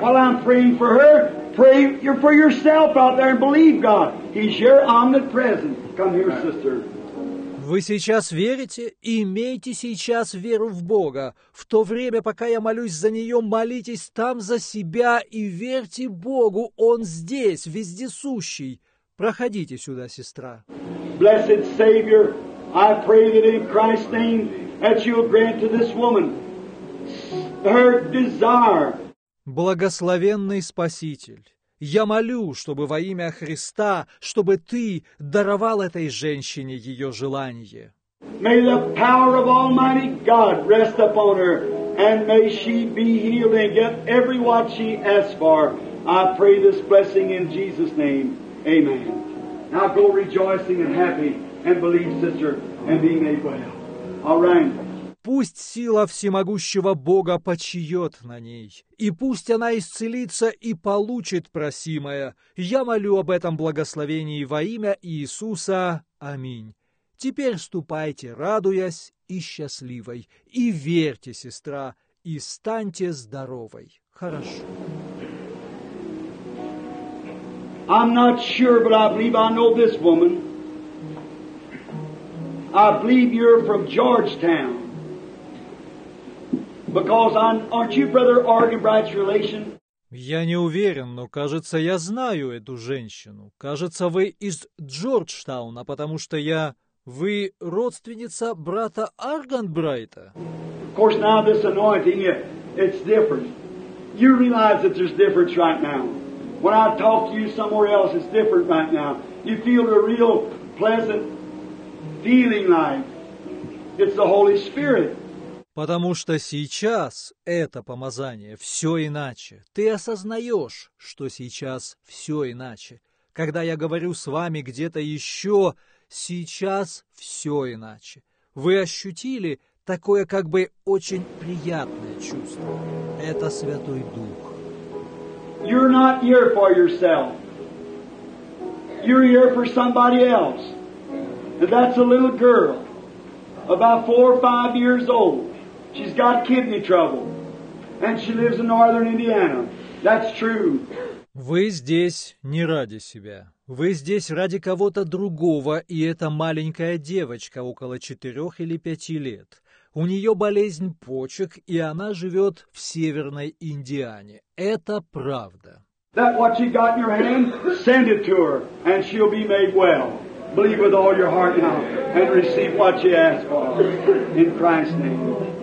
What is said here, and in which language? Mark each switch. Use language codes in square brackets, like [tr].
[en] While I'm praying for her, pray for yourself out there and believe God. He's your omnipresent. Come here, sister. [ru] Вы сейчас верите? Имейте сейчас веру в Бога. В то время, пока я молюсь за нее, молитесь там за себя и верьте Богу. Он здесь, вездесущий. Проходите сюда, сестра. [en] Blessed Savior, I pray that in Christ's name that you'll grant to this woman her desire. [ru] Благословенный Спаситель. Я молю, чтобы во имя Христа, чтобы Ты даровал этой женщине ее желание. [en] May the power of Almighty God rest upon her, and may she be healed and get every what she asks for. I pray this blessing in Jesus' name. Amen. Now go rejoicing and happy, and believe, sister, and be made well. All right. [ru] Пусть сила всемогущего Бога почиет на ней, и пусть она исцелится и получит просимое. Я молю об этом благословении во имя Иисуса. Аминь. Теперь ступайте, радуясь и счастливой, и верьте, сестра, и станьте здоровой. Хорошо. [en] I'm not sure, but I believe I know this woman. I believe you're from Georgetown. Because aren't you Brother Argenbright's relation? [ru] Я не уверен, но кажется, я знаю эту женщину. Кажется, вы из Джорджтауна, потому что вы родственница брата Аргенбрайта. [en] Of course, now this anointing, it's different. You realize that there's difference right now. When I talk to you somewhere else, it's different right now. You feel a real pleasant feeling like it's the Holy Spirit. [ru] Потому что сейчас это помазание, все иначе. Ты осознаешь, что сейчас все иначе. Когда я говорю с вами где-то еще, сейчас все иначе. Вы ощутили такое как бы очень приятное чувство. Это Святой Дух. [en] You're not here for yourself. You're here for somebody else. And that's a little girl, about 4 or 5 years old. She's got kidney trouble, and she lives in northern Indiana. That's true. [ru] Вы здесь не ради себя. Вы здесь ради кого-то другого, и это маленькая девочка, около 4 или 5 лет. У нее болезнь почек, и она живет в северной Индиане. Это правда. [en] That what you got in your hand, send it to her, and she'll be made well. Believe with all your heart now, and receive what you ask for, in Christ's name.